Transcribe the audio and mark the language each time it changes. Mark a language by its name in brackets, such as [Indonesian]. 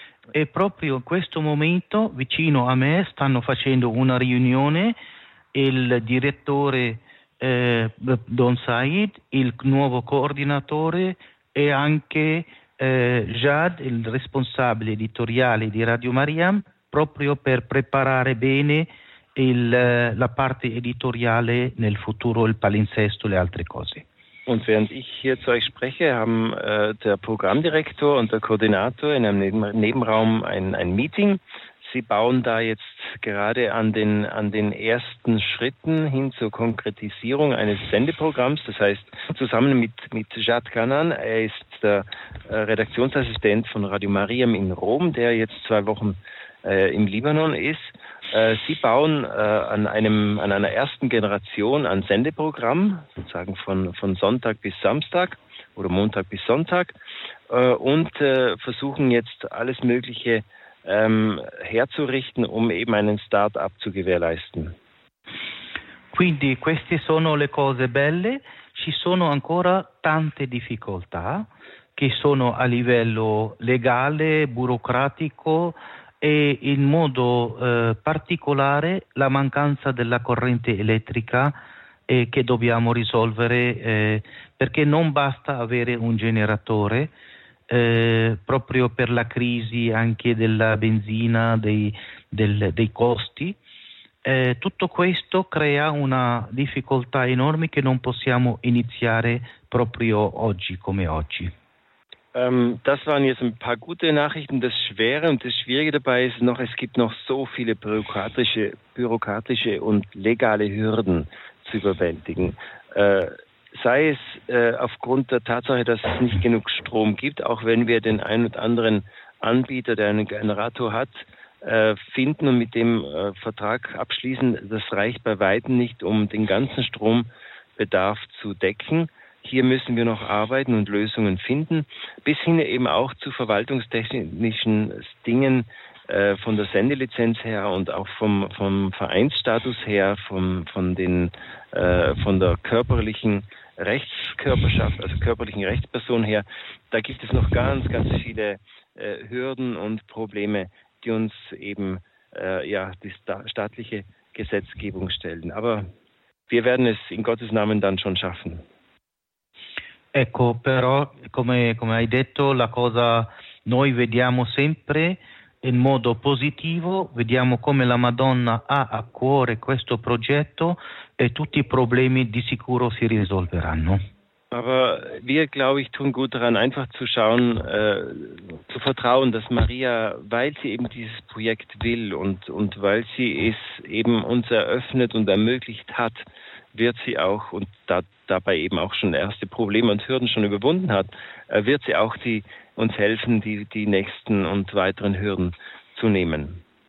[Italian] E proprio in questo momento, vicino a me, stanno facendo una riunione il direttore Don Said, il nuovo coordinatore e anche Jad, il responsabile editoriale di Radio Maria, proprio per preparare bene la parte editoriale nel futuro, il palinsesto e le altre cose. [German] Und während ich hier zu euch spreche, haben der Programmdirektor und der Koordinator in einem Nebenraum ein Meeting. Sie bauen da jetzt gerade an den ersten Schritten hin zur Konkretisierung eines Sendeprogramms. Das heißt, zusammen mit Jad Kanan, er ist der Redaktionsassistent von Radio Mariam in Rom, der jetzt zwei Wochen im Libanon ist. Sie bauen an einer ersten Generation an Sendeprogramm, sozusagen von Sonntag bis Samstag oder Montag bis Sonntag, und versuchen jetzt alles Mögliche herzurichten, um eben einen Start-up zu gewährleisten. [Italian] Quindi queste sono le cose belle. Ci sono ancora tante difficoltà che sono a livello legale, burocratico, e in modo particolare la mancanza della corrente elettrica che dobbiamo risolvere, perché non basta avere un generatore proprio per la crisi anche della benzina, dei costi. Tutto questo crea una difficoltà enorme che non possiamo iniziare proprio oggi come oggi. [German] Das waren jetzt ein paar gute Nachrichten. Das Schwere und das Schwierige dabei ist noch, es gibt noch so viele bürokratische und legale Hürden zu überwältigen. Sei es aufgrund der Tatsache, dass es nicht genug Strom gibt, auch wenn wir den einen oder anderen Anbieter, der einen Generator hat, finden und mit dem Vertrag abschließen, das reicht bei Weitem nicht, um den ganzen Strombedarf zu decken. Hier müssen wir noch arbeiten und Lösungen finden, bis hin eben auch zu verwaltungstechnischen Dingen von der Sendelizenz her und auch vom Vereinsstatus her, von der körperlichen Rechtskörperschaft, also körperlichen Rechtsperson her. Da gibt es noch ganz, ganz viele Hürden und Probleme, die uns eben die staatliche Gesetzgebung stellen. Aber wir werden es in Gottes Namen dann schon schaffen. [Italian] Ecco, però, come hai detto, la cosa noi vediamo sempre in modo positivo, vediamo come la Madonna ha a cuore questo progetto e tutti i problemi di sicuro si risolveranno. [German] Aber wir, glaube ich, tun gut daran, einfach zu schauen, zu vertrauen, dass Maria, weil sie eben dieses Projekt will und weil sie es eben uns eröffnet und ermöglicht hat, wird sie auch, und dabei eben auch schon erste Probleme und Hürden schon überwunden hat, wird sie auch uns helfen, die nächsten und weiteren Hürden zu nehmen.